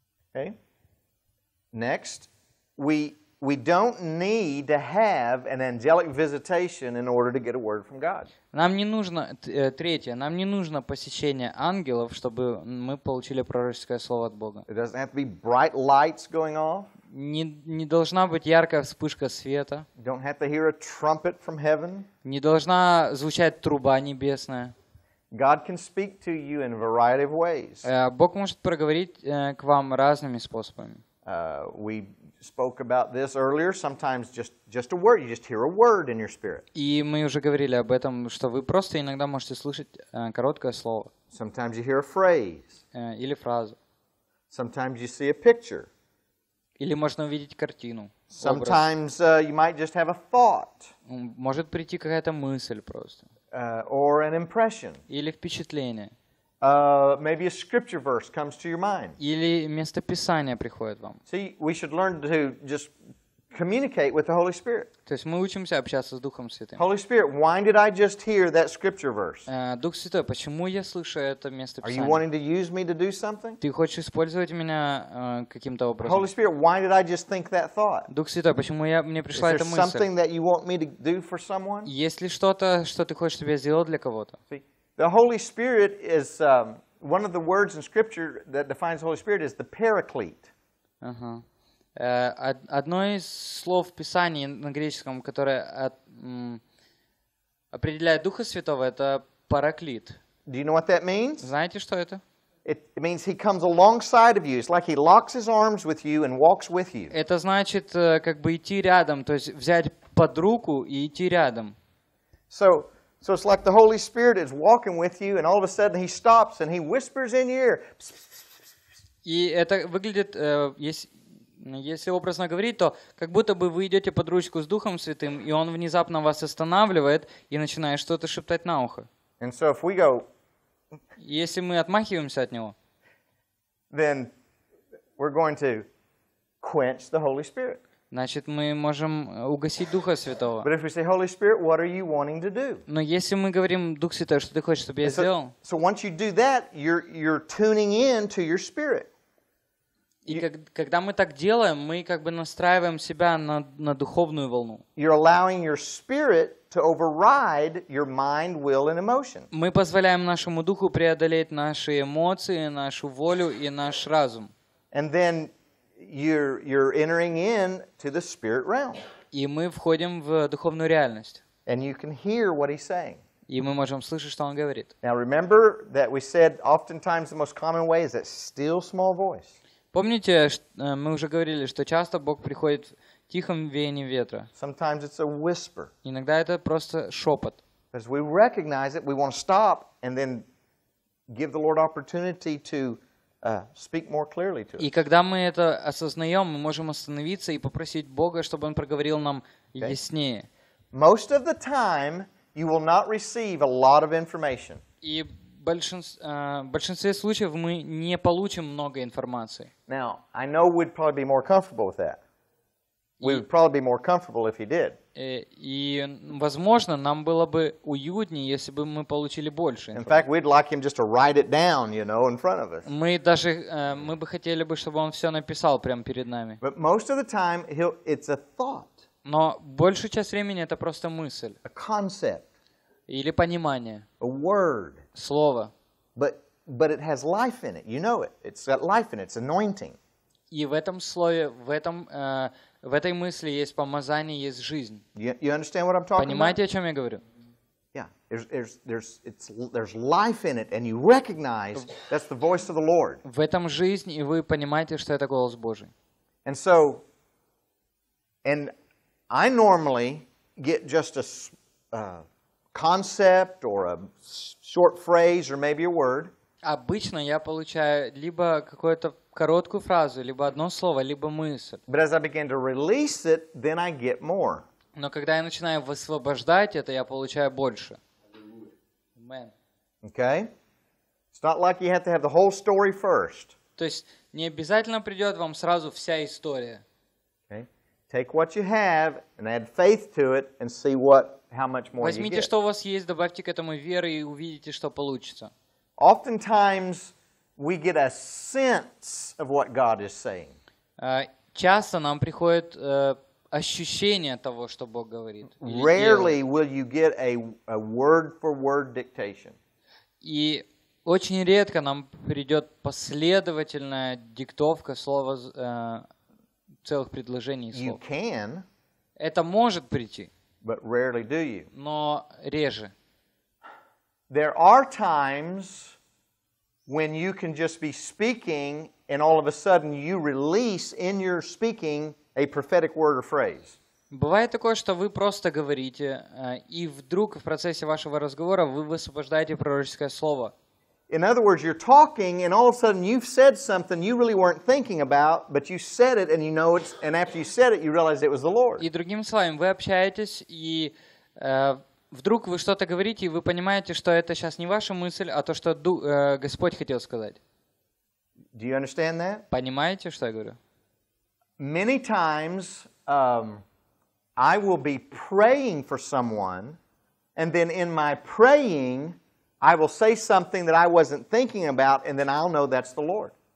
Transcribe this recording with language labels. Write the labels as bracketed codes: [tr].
[en] Okay. Next, we don't need to have an angelic visitation in order to get a word from God. [ru] Нам не нужно третье, нам не нужно посещение ангелов, чтобы мы получили пророческое слово от Бога. [en] It doesn't have to be bright lights going off. [ru] Не должна быть яркая вспышка света. [en] Don't have to hear a trumpet from heaven. [ru] Не должна звучать труба небесная. [en] God can speak to you in a variety of ways. [ru] Бог может проговорить к вам разными способами. [en] We spoke about this earlier. Sometimes just a word. You just hear a word in your spirit. [ru] И мы уже говорили об этом, что вы просто иногда можете слышать короткое слово. [en] Sometimes you hear a phrase. [ru] Или фразу. [en] Sometimes you see a picture. [ru] Или можно увидеть картину. [en] Sometimes you might just have a thought. [ru] Может прийти какая-то мысль просто. [en] Or an impression. [ru] Или впечатление. [en] Maybe a scripture verse comes to your mind. [ru] Или место писания приходит вам. [en] See, we should learn to just communicate with the Holy Spirit. [ru] То есть мы учимся общаться с Духом Святым. [en] Holy Spirit, why did I just hear that scripture verse? [ru] Дух Святой, почему я слышу это место писания? [en] Are you wanting to use me to do something? [ru] Ты хочешь использовать меня каким-то образом? [en] Holy Spirit, why did I just think that thought? [ru] Дух Святой, почему мне пришла эта мысль? [en] Is there something that you want me to do for someone? [ru] Есть ли что-то, что ты хочешь, чтобы я сделал для кого-то? [en] The Holy Spirit is one of the words in Scripture that defines the Holy Spirit is the Paraclete. [ru] Одно из слов в Писании на греческом, которое определяет Духа Святого, это Параклит. [en] Do you know what that means? [ru] Знаете, что это? [en] It means he comes alongside of you. It's like he locks his arms with you and walks with you. [ru] Это значит, как бы идти рядом, то есть взять под руку и идти рядом. [en] So it's like the Holy Spirit is walking with you, and all of a sudden he stops and he whispers in your ear. [ru] И это выглядит, если образно говорить, то как будто бы вы идете под ручку с Духом Святым, и он внезапно вас останавливает и начинает что-то шептать на ухо. [en] And so if we go, [ru] если мы отмахиваемся от него, [en] then we're going to quench the Holy Spirit. [ru] Значит, мы можем угасить Духа Святого. [en] But if we say, Holy Spirit, what are you wanting to do? [ru] Но если мы говорим, Дух Святой, что ты хочешь, чтобы я сделал? [en] So once you do that, you're tuning in to your spirit. [ru] И когда мы так делаем, мы как бы настраиваем себя на духовную волну. [en] You're allowing your spirit to override your mind, will, and emotion. [ru] Мы позволяем нашему духу преодолеть наши эмоции, нашу волю и наш разум. [en] And then you're entering in to the spirit realm. [ru] И мы входим в духовную реальность. [en] And you can hear what he's saying. [ru] И мы можем слышать, что он говорит. [en] Now remember that we said oftentimes the most common way is that still small voice. [ru] Помните, мы уже говорили, что часто Бог приходит в тихом веянии ветра. [en] Sometimes it's a whisper. [ru] Иногда это просто шепот. [en] As we recognize it, we want to stop and then give the Lord opportunity to speak more clearly to us. [ru] И когда мы это осознаем, мы можем остановиться и попросить Бога, чтобы Он проговорил нам яснее. [en] Most of the time, you will not receive a lot of information. [ru] И большинстве случаев мы не получим много информации. [en] Now, I know we'd probably be more comfortable with that. We would probably be more comfortable if he did. [ru] И, возможно, нам было бы уюднее, если бы мы получили больше. [en] In fact, we'd like him just to write it down, you know, in front of us. [ru] Мы даже мы бы хотели бы, чтобы он все написал прямо перед нами. [en] But most of the time, it's a thought. [ru] Но большую часть времени это просто мысль. [en] A concept. [ru] Или понимание. [en] A word. [ru] Слово. [en] But it has life in it. You know it. It's got life in it. It's anointing. [ru] И в этом слове, в этом в этой мысли есть помазание, есть жизнь. [en] You understand what I'm talking [ru] Понимаете, [en] about? [ru] О чем я говорю? [en] Yeah. There's life in it, and you recognize that's the voice of the Lord. [ru] В этом жизнь, и вы понимаете, что это голос Божий. [en] And so, and I normally get just a concept or a short phrase or maybe a word. [ru] Обычно я получаю либо какую-то короткую фразу, либо одно слово, либо мысль. [en] But as I begin to release it, then I get more. [ru] Но когда я начинаю высвобождать это, я получаю больше. [en] Amen. Okay. It's not like you have to have the whole story first. [ru] То есть не обязательно придет вам сразу вся история. [en] Okay. Take what you have and add faith to it and see what how much more [ru] Возьмите, [en] you get. [ru] Что у вас есть, добавьте к этому веры и увидите, что получится. [en] Oftentimes, we get a sense of what God is saying. [ru] Часто нам приходит ощущение того, что Бог говорит. [en] Rarely will you get a word-for-word dictation. [ru] И очень редко нам придет последовательная диктовка слова целых предложений и слов. [en] You can. [ru] Это может прийти. [en] But rarely do you. [ru] Но реже. [en] There are times when you can just be speaking and all of a sudden you release in your speaking a prophetic word or phrase. [ru] Бывает такое, что вы просто говорите, и вдруг в процессе вашего разговора вы высвобождаете пророческое слово. [en] In other words, you're talking and all of a sudden you've said something you really weren't thinking about, but you said it and you know it's, and after you said it, you realize it was the Lord. [ru] И другими словами, вы общаетесь, и вдруг вы что-то говорите, и вы понимаете, что это сейчас не ваша мысль, а то, что Господь хотел сказать. [en] Do you understand that? [ru] Понимаете, что я говорю? [en] Many times I will be praying for someone, and then in my praying I will say something that I wasn't thinking about, and then I'll know that's the Lord.